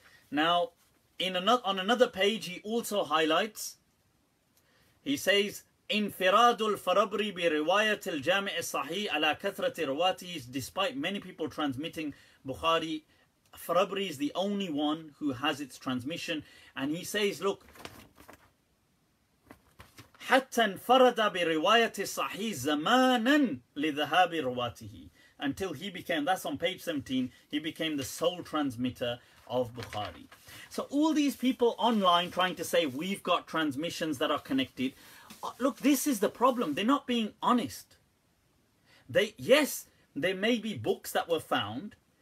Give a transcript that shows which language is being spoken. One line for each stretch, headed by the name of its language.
English: Now, on another page, he also highlights, he says,
Arabic: انفراد الفرابري برواية الجامع الصحيح على كثرة رواته.
English: Despite many people transmitting Bukhari, Farabri is the only one who has its transmission. And he says, look,
Arabic: حتى انفرد برواية الصحيح زمانا لذهاب رواته.
English: Until he became, that's on page 17, he became the sole transmitter of Bukhari. So all these people online trying to say we've got transmissions that are connected, look, this is the problem. They're not being honest. Yes, there may be books that were found.